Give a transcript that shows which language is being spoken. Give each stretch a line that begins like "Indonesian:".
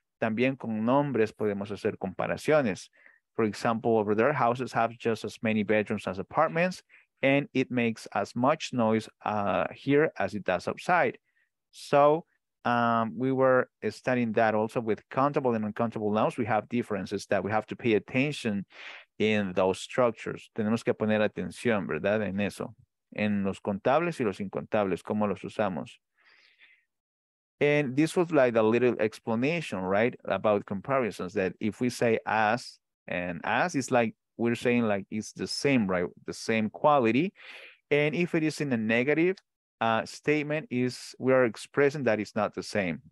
Spanish: También con nombres podemos hacer comparaciones.
English: For example, over there, houses have just as many bedrooms as apartments, and it makes as much noise here as it does outside. So we were studying that also with countable and uncountable nouns. We have differences that we have to pay attention in those structures.
Spanish: Tenemos que poner atención, ¿verdad? En eso. En los contables y los incontables, ¿cómo los usamos?
English: And this was like a little explanation, right, about comparisons, that if we say as and as, it's like we're saying like it's the same, right, the same quality. And if it is in a negative statement, is we are expressing that it's not the same.